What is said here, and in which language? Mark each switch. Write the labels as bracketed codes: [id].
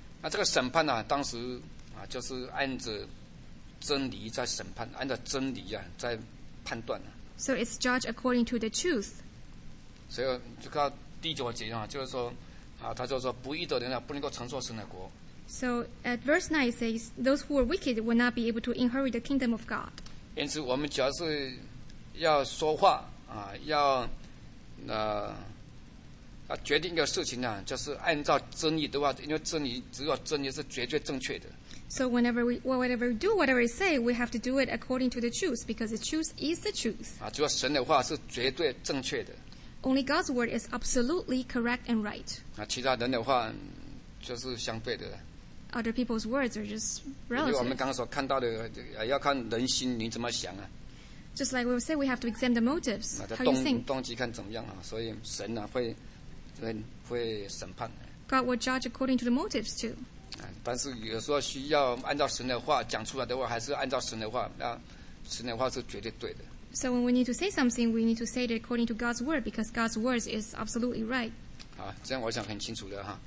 [zh] 那这个审判呢、当时就是按着真理在审判，按照真理啊在判断。 [en] So it's judged according to the truth. [zh] 所以就看第九节啊，就是说他就说不义的人啊，不能够承受神的国。 [en] So at verse 9 it says, those who are wicked will not be able to inherit the kingdom of God. [zh] 因此我们只要是要说话要决定一个事情呢，就是按照真理的话，因为真理只有真理是绝对正确的。 [en] So whenever whatever we do, whatever we say, we have to do it according to the truth, because the truth is the truth. [zh] 只有神的话是绝对正确的。 [en] Only God's word is absolutely correct and right. [zh] 其他人的话就是相对的。 [en] Other people's words are just relative. [zh] 就我们刚刚所看到的，要看人心，你怎么想啊？ [en] Just like we say, we have to examine the motives. How you think? [zh] 动机看怎么样啊？所以神呢、会审判。 [en] God will judge according to the motives too. [zh] 但是有时候需要按照神的话讲出来的话，还是按照神的话，那神的话是绝对对的。 [en] So when we need to say something, we need to say it according to God's word, because God's word is absolutely right. [zh] 好，这样我想很清楚的哈。